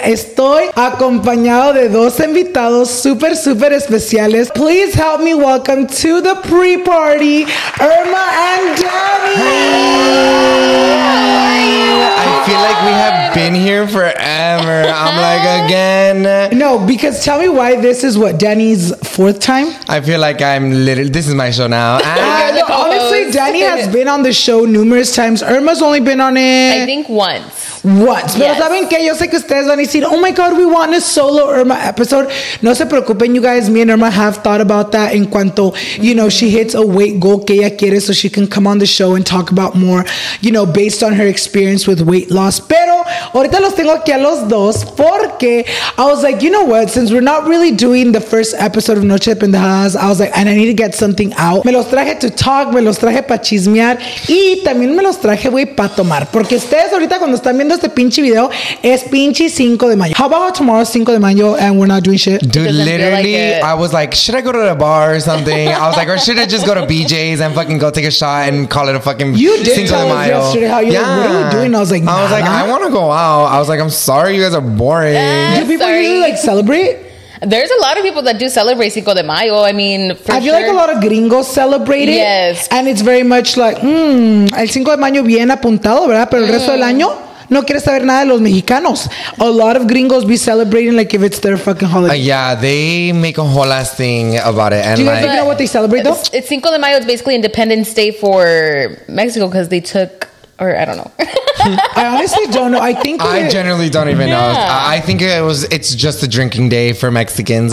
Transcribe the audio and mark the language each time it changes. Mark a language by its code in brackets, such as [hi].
[es] Estoy acompañado de dos invitados súper, súper especiales. [en] Please help me welcome to the pre-party, Irma and Demi. I feel like we have been here forever. I'm like, again. No, because tell me why this is what, Danny's fourth time? I feel like I'm literally, this is my show now. Honestly, Danny has been on the show numerous times. Irma's only been on it, I think, once. What? Yes. [es] Pero saben que yo sé que ustedes van a decir, [en] oh my god, we want a solo Irma episode. [es] No se preocupen, [en] you guys. Me and Irma have thought about that [es] en cuanto, [en] you know, she hits a weight goal [es] que ella quiere [en] so she can come on the show and talk about more, you know, based on her experience with weight loss. [es] Pero ahorita los tengo aquí a los dos porque [en] I was like, you know what? Since we're not really doing the first episode of Noche de Pendejadas, I was like, and I need to get something out. [es] Me los traje [en] to talk, [es] me los traje para chismear y también me los traje, güey, para tomar. Porque ustedes ahorita cuando están viendo viendo este pinche video, es pinche Cinco de Mayo. [en] How about tomorrow, [es] Cinco de Mayo, [en] and we're not doing shit? Dude, literally, like, I was like, should I go to the bar or something? I was like, or should I just go to BJ's and fucking go take a shot and call it a fucking Cinco de Mayo? You did tell us yesterday how you were, like, what are you doing? I was like, I was like, I want to go out. I was like, I'm sorry, you guys are boring. Do people usually, like, celebrate? There's a lot of people that do celebrate Cinco de Mayo. I mean, for I sure. feel like a lot of gringos celebrate it. Yes. And it's very much like, [es] el Cinco de Mayo bien apuntado, ¿verdad? Pero el resto del año no quieres saber nada de los mexicanos. [en] A lot of gringos be celebrating like if it's their fucking holiday. Yeah, they make a whole last thing about it. And do you guys like, know what they celebrate though? It's Cinco de Mayo is basically Independence Day for Mexico because they took... Or I don't know. I honestly don't know. I think I generally don't even know. I think it was. It's just a drinking day for Mexicans.